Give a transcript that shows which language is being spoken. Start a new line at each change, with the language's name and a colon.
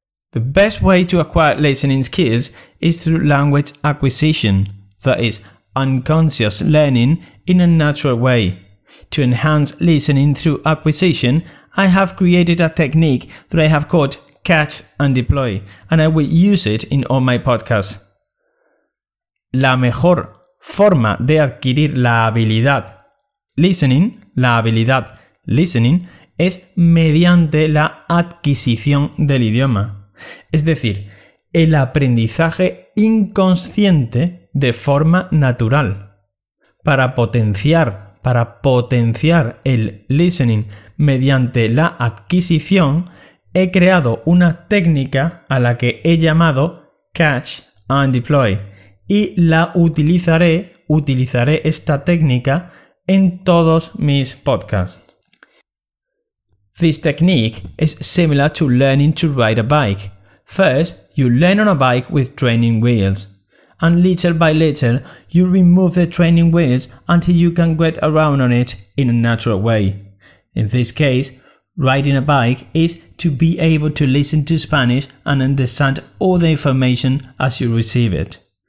English: The best way to acquire listening skills is through language acquisition, that is, unconscious learning in a natural way. To enhance listening through acquisition, I have created a technique that I have called Catch and Deploy, and I will use it in all my podcasts.
Spanish: La mejor forma de adquirir la habilidad listening, la habilidad listening, es mediante la adquisición del idioma. Es decir, el aprendizaje inconsciente de forma natural. Para potenciar el listening mediante la adquisición, he creado una técnica a la que he llamado Catch and Deploy. Y la utilizaré esta técnica en todos mis podcasts.
English: This technique is similar to learning to ride a bike. First, you learn on a bike with training wheels. And little by little, you remove the training wheels until you can get around on it in a natural way. In this case, riding a bike is to be able to listen to Spanish and understand all the information as you receive it.